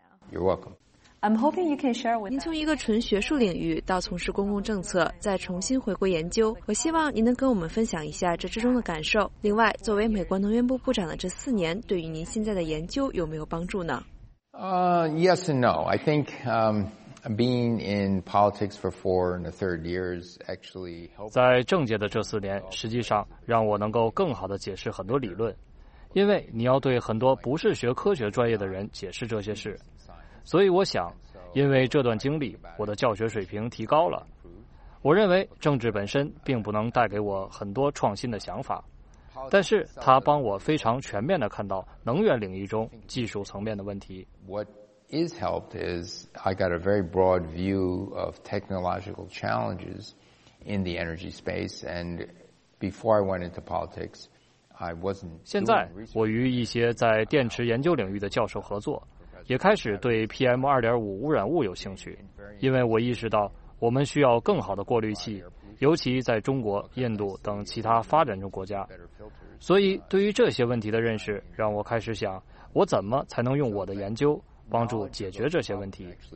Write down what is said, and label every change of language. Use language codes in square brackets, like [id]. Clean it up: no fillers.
[en] You're welcome. I'm hoping you can share with. [zh] 您从一个纯学术领域到从事公共政策，再重新回归研究，我希望您能跟我们分享一下这之中的感受。另外，作为美国能源部部长的这4年，对于您现在的研究有没有帮助呢？ [en] Yes and no. I think being in politics for 4 and a third years actually helped. [zh] 在政界的这4年，实际上让我能够更好地解释很多理论，因为你要对很多不是学科学专业的人解释这些事。所以我想，因为这段经历，我的教学水平提高了。我认为政治本身并不能带给我很多创新的想法，但是它帮我非常全面地看到能源领域中技术层面的问题。 [en] What is helped is I got a very broad view of technological challenges in the energy space, and before I went into politics, I wasn't. [zh] 现在我与一些在电池研究领域的教授合作。也开始对 PM2.5 污染物有兴趣，因为我意识到我们需要更好的过滤器，尤其在中国、印度等其他发展中国家。所以对于这些问题的认识让我开始想，我怎么才能用我的研究帮助解决这些问题。